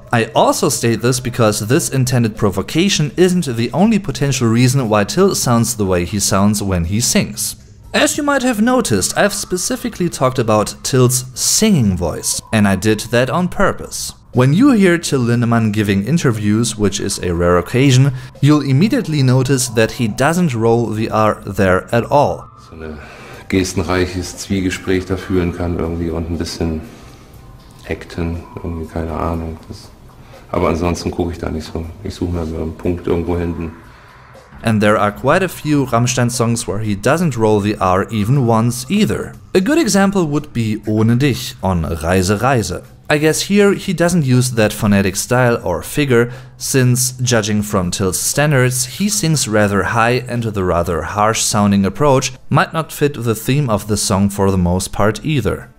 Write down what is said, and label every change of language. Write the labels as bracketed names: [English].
[English] I also state this because this intended provocation isn't the only potential reason why Till sounds the way he sounds when he sings. As you might have noticed, I've specifically talked about Till's singing voice, and I did that on purpose. When you hear Till Lindemann giving interviews, which is a rare occasion, you'll immediately notice that he doesn't roll the R there at all. [German] So, gestenreiches Zwiegespräch da führen kann irgendwie und ein bisschen acten, irgendwie keine Ahnung. Das, aber ansonsten gucke ich da nicht so. Ich suche mir einen Punkt irgendwo hinten. [English] And there are quite a few Rammstein songs where he doesn't roll the R even once either. A good example would be Ohne Dich on Reise Reise. I guess here he doesn't use that phonetic style or figure, since, judging from Till's standards, he sings rather high and the rather harsh sounding approach might not fit the theme of the song for the most part either.